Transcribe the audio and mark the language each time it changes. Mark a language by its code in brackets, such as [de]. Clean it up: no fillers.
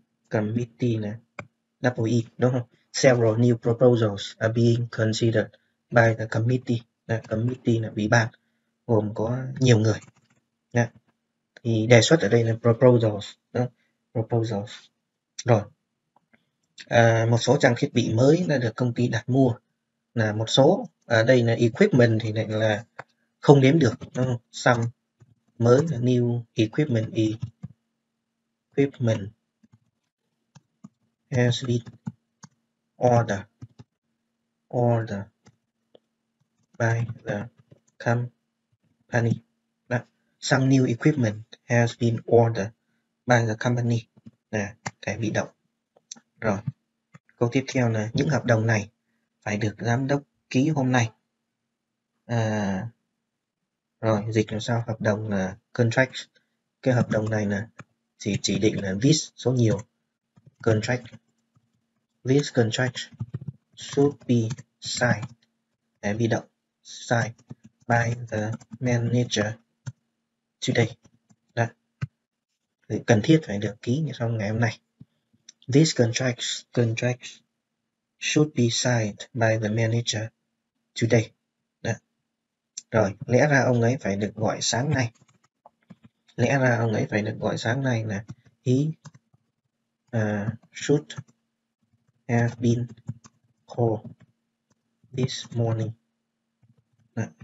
[vi] Committee này, [en] double E [vi] đúng không? [en] Several new proposals are being considered by the committee. [vi] Committee là ủy ban, gồm có nhiều người. Thì đề xuất ở đây là proposals, đó. Proposals. Rồi. Một số trang thiết bị mới đã được công ty đặt mua, là một số ở đây là equipment thì lại là không đếm được đúng không? [en] Some [vi] mới là [en] new equipment has been ordered by the company. Some new equipment has been ordered by the company, [vi] là cái bị động. Rồi câu tiếp theo là những hợp đồng này phải được giám đốc ký hôm nay. Rồi dịch làm sao? Hợp đồng là contract. Cái hợp đồng này là thì chỉ định là this số nhiều. [en] Contract. This contract should be signed. [vi] Để bị động. [en] Signed by the manager today. [vi] Thì cần thiết phải được ký như sau ngày hôm nay. [en] This contract should be signed by the manager today. [vi] Đó. Rồi, lẽ ra ông ấy phải được gọi sáng nay. Lẽ ra ông ấy phải được gọi sáng nay là [en] he should have been called this morning. [vi] Đó.